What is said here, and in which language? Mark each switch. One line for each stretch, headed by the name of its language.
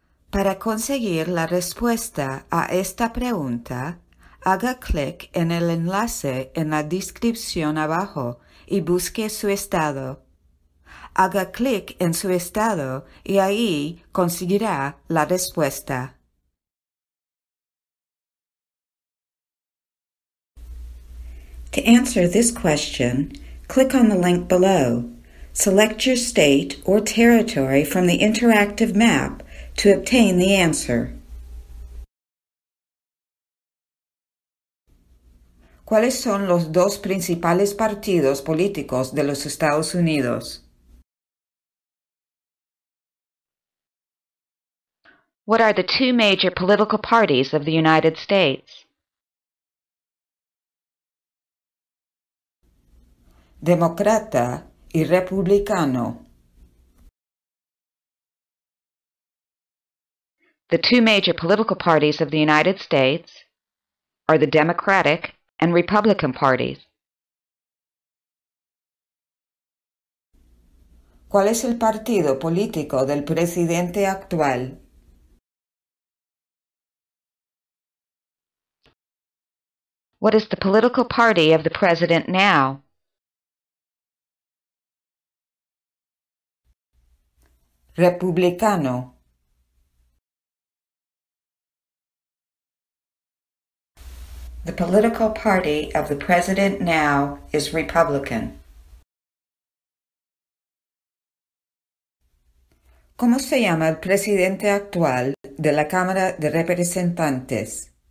Spanish: Para conseguir la respuesta a esta pregunta, haga clic en el enlace en la descripción abajo y busque su estado. Haga clic en su estado y ahí conseguirá la respuesta.
English: To answer this question, click on the link below. Select your state or territory from the interactive map to obtain the answer.
Spanish: ¿Cuáles son los dos principales partidos políticos de los Estados Unidos?
English: What are the two major political parties of the United States?
Spanish: Demócrata y republicano.
English: The two major political parties of the United States are the Democratic and Republican parties.
Spanish: ¿Cuál es el partido político del presidente actual?
English: What is the political party of the president now?
Spanish: Republicano.
English: The political party of the president now is Republican.
Spanish: ¿Cómo se llama el presidente actual de la Cámara de Representantes?